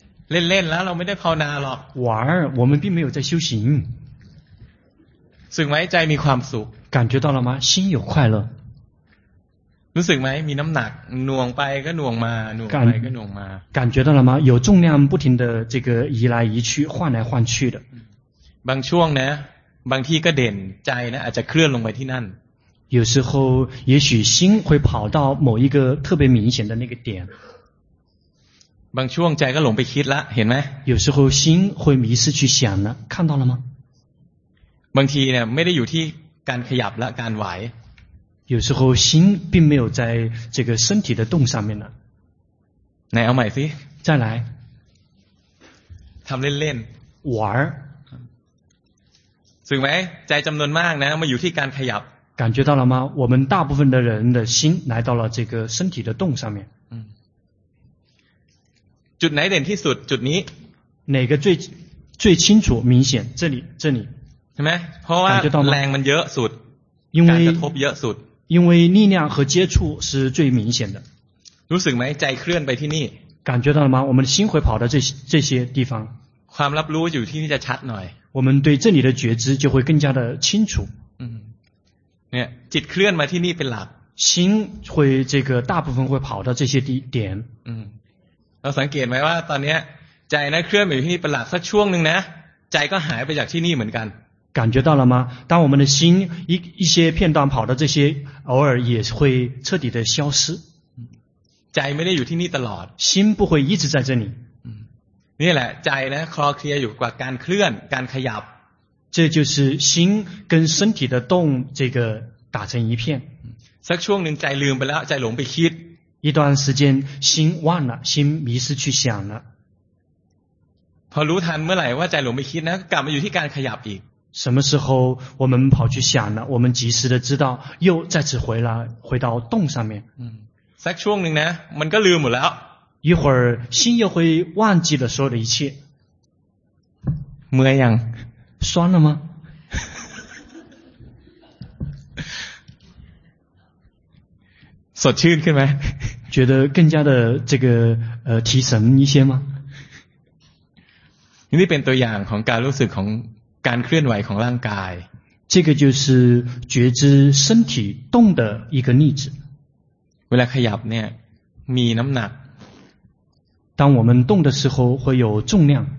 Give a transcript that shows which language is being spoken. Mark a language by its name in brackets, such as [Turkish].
[Thai] เล่นๆแล้วเราไม่ได้ภาวนาหรอก [Chinese] 玩我们并没有在修行 [Thai] สึกไหมใจมีความสุข [Chinese] 感觉到了吗心有快乐 [Thai] รู้สึกไหมมีน้ำหนักหน่วงไปก็หน่วงมาหน่วงไปก็หน่วงมา [Chinese] 感觉到了吗有重量不停的这个移来移去换来换去的 [Thai] บางช่วงนะบางที่ก็เด่นใจนะอาจจะเคลื่อนลงไปที่นั่น [Chinese] 有时候也许心会跑到某一个特别明显的那个点 [Thai] บางช่วงใจก็หลงไปคิดละเห็นไหม [Chinese] 有时候心会迷失去想了看到了吗 [Thai] บางทีเนี่ยไม่ได้อยู่ที่การขยับและการไหว [Chinese] 有时候心并没有在这个身体的动上面了 [Thai] 来เอาใหม่สิ [Chinese] 再来 [Thai] ทำเล่น [Chinese] ๆ玩 [Thai] สึกไหมใจจำนวนมากนะมาอยู่ที่การขยับ [Chinese] 感觉到了吗我们大部分的人的心来到了这个身体的动上面 [Thai] จุดไหนเด่นที่สุดจุดนี้ [Chinese] 哪个最清楚明显这里这里 [Thai] ใช่ไหมเพราะว่าแรงมันเยอะสุด การ กระทบเยอะสุด [Chinese] 因为力量和接触是最明显的 [Thai] รู้สึกไหมใจเคลื่อนไปที่นี่ [Chinese] 感觉到了吗我们心会跑到这些地方 [Thai] ความรับรู้อยู่ที่นี่จะชัดหน่อย [Chinese] 我们对这里的觉知就会更加的清楚 [Thai] เนี่ยจิตเคลื่อนมาที่นี่เป็นหลัก [Chinese] 心会这个大部分会跑到这些点 [Thai] เราสังเกตไหมว่าตอนนี้ใจนะเคลื่อนไปที่นี่เป็นหลักสักช่วงหนึ่งนะใจก็หายไปจากที่นี่เหมือนกัน [Chinese] 感觉到了吗？当我们的心一些片段跑到这些，偶尔也会彻底的消失。 [Thai] จไม่ได้อยู่ที่นี่ตลอด [Chinese] 心不会一直在这里 [Thai] นี่แหละใจนะคลอเคลียอยู่กับการเคลื่อนการขยับ [Chinese] 这就是心跟身体的动这个打成一片 [Thai] สักช่วงหนึ่งใจลืมไปแล้วใจหลงไปคิด [Chinese] 一段时间心忘了心迷失去想了 [Thai] พอรู้ทันเมื่อไหร่ว่าใจหลงไปคิดนะกลับมาอยู่ที่การขยับอีก [Chinese] 什么时候我们跑去想了我们及时的知道又再次回来回到动上面 [Thai] สักช่วงหนึ่งนะมันก็ลืมหมดแล้ว [Chinese] 一会儿心又会忘记了所有的一切 [Thai] เมื่อยัง [Chinese] 酸了吗 [Thai] สดชื่นขึ้นไหม [Chinese] 觉得更加的这个提神一些吗 [Thai] นี่เป็นตัวอย่างของการรู้สึกของการเคลื่อนไหวของร่างกาย [Chinese] 这个就是觉知身体动的一个例子 [Thai] เวลาขยับเนี่ยมีน้ำหนัก [Chinese] 当我们动的时候会有重量